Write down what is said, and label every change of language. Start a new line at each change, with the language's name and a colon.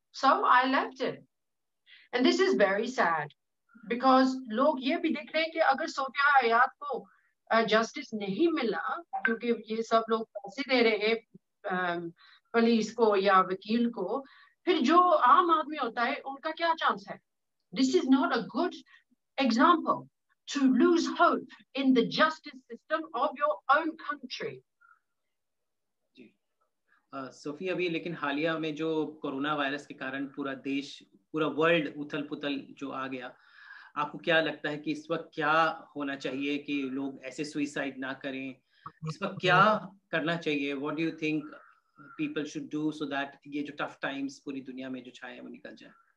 English: So I left it. And this is very sad.
Hindi: Because लोग ये भी देख रहे हैं कि अगर सोफिया आयात को जस्टिस नहीं मिला, क्योंकि ये सब लोग पैसे दे रहे हैं पुलिस को या वकील को, फिर जो आम आदमी होता है उनका क्या चांस है?
English: This is not a good example to lose hope in the justice system of your own country.
Hindi: Sophie, अभी लेकिन हालिया में जो कोरोना वायरस के कारण पूरा देश, पूरा वर्ल्ड उथल पुथल जो आ गया, आपको क्या लगता है कि इस वक्त क्या होना चाहिए कि लोग ऐसे सुइसाइड ना करें? इस वक्त क्या करना चाहिए?
English: what do you think people should do so that
Hindi: ये जो टफ टाइम्स पूरी दुनिया में जो छाए हैं वो निकल जाए?